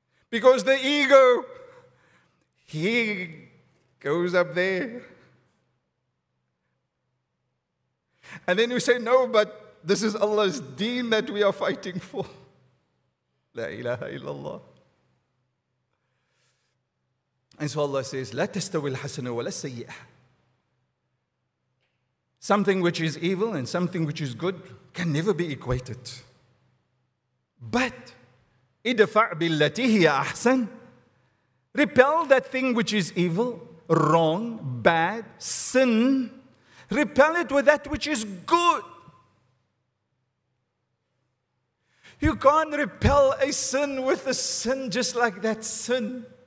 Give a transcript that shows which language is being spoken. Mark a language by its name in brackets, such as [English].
[English] Because the ego, he goes up there. And then we say, no, but this is Allah's deen that we are fighting for. [Arabic] La ilaha illallah. [English] And so Allah says, [Arabic] لا تستوي الحسنة ولا السيئة. [English] Something which is evil and something which is good can never be equated. [Arabic] But ادفع بالتي هي أحسن. [English] Repel that thing which is evil, wrong, bad, sin. Repel it with that which is good. You can't repel a sin with a sin just like that sin.